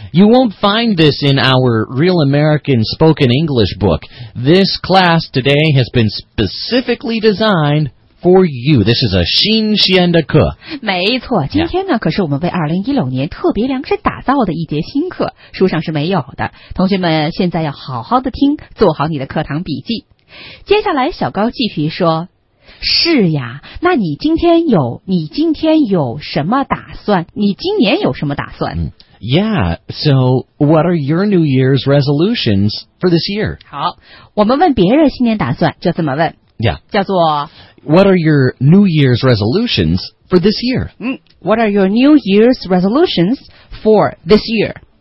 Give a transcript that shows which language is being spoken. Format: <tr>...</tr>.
<en>You won't find this in our Real American Spoken English book. This class today has been specifically designed for you. This is a</en> <zh>新鲜的课。没错今天呢、</zh> <en>yeah.</en> <zh>可是我们为2016年特别量身打造的一节新课书上是没有的。同学们现在要好好的听做好你的课堂笔记。接下来小高继续说是呀那你今天有什么打算你今年有什么打算、</zh> <en>Yeah, so what are your New Year's resolutions for this year?</en> <zh>好我们问别人新年打算就这么问</zh> <en>Yeah.</en> <zh>叫做</zh> <en>What are your New Year's resolutions for this year?、 What are your New Year's resolutions for this year?</en>